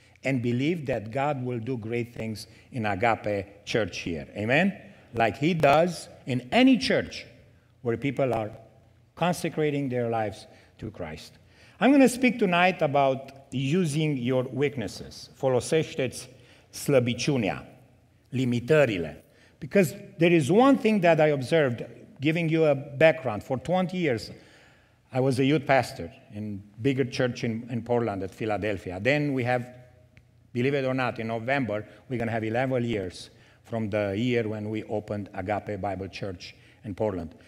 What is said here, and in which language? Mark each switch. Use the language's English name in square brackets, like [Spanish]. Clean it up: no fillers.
[English] And believe that God will do great things in Agape Church here. Amen? Like he does in any church where people are consecrating their lives to Christ. I'm going to speak tonight about using your weaknesses. [Romanian] Folosește-ți slăbiciunea, limitările. [English] Because there is one thing that I observed, giving you a background. For 20 years, I was a youth pastor in bigger church in Portland at Philadelphia. Then we have, believe it or not, in November, we're going to have 11 years from the year when we opened Agape Bible Church in Portland.